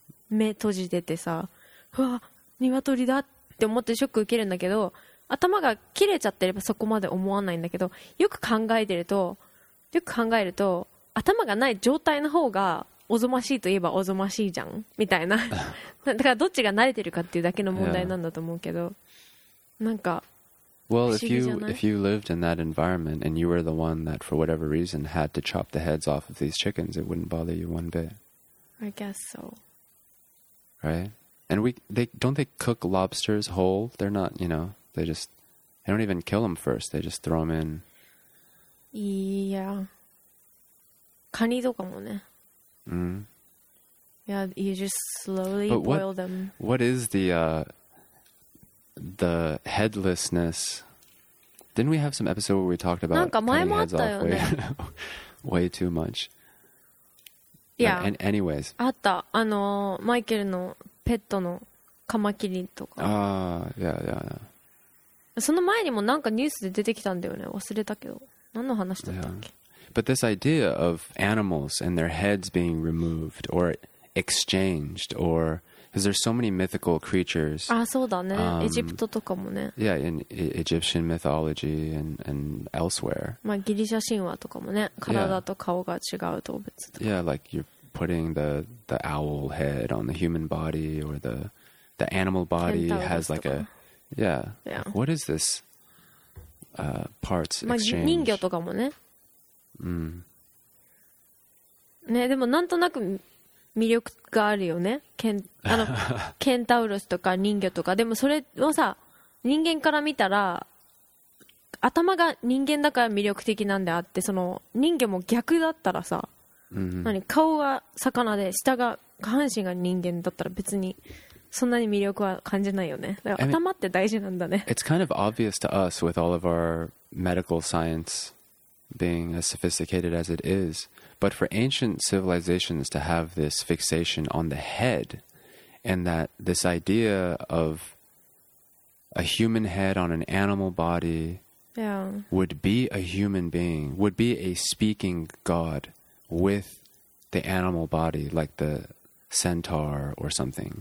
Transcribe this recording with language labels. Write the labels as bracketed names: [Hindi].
[Japanese] 目閉じててさ、うわっ鶏だって思ってショック受けるんだけど、頭が切れちゃってればそこまで思わないんだけど、よく考えると頭がない状態の方がおぞましいといえばおぞましいじゃんみたいな。だからどっちが慣れてるかっていうだけの問題なんだと思うけど、なんか。 [English] Well, if you lived in that environment and you were the one that, for whatever reason, had to chop the heads off of these chickens, it wouldn't bother you one bit. I guess so. Right? And don't they cook lobsters whole? They're not, you know, they don't even kill them first. They just throw them in. [Japanese] Yeah. カニとかもね。 [English] Yeah, you just slowly boil them. What is the headlessness? Didn't we have some episode where we talked about cutting heads off way too much? Yeah. Anyways. [Japanese] あった。あの、マイケルのペットのカマキリとか。ああ、yeah. その前にもなんかニュースで出てきたんだよね。忘れたけど。何の話だったっけ？ [English] But this idea of animals and their heads being removed or exchanged or... Because there's so many mythical creatures. [Japanese] Ah, そうだね。Egypt とかもね。 [English] Yeah, in Egyptian mythology and elsewhere. [Japanese] まあ、ギリシャ神話とかもね。体と顔が違う動物とか。 [English] Yeah, like you're putting the owl head on the human body or the animal body has like a... Yeah. Yeah. What is this parts exchange? [Japanese] 人魚とかもね。ね、でもなんとなく魅力があるよね。ケンタウロスとか人魚とか。でもそれはさ、人間から見たら頭が人間だから魅力的なんであって、その人魚も逆だったらさ、何、顔が魚で下が下半身が人間だったら別にそんなに魅力は感じないよね。だから頭って大事なんだね。 [English] I mean, It's kind of obvious to us with all of our medical science being as sophisticated as it isBut for ancient civilizations to have this fixation on the head, and that this idea of a human head on an animal body would be a human being, would be a speaking God with the animal body, like the centaur or something.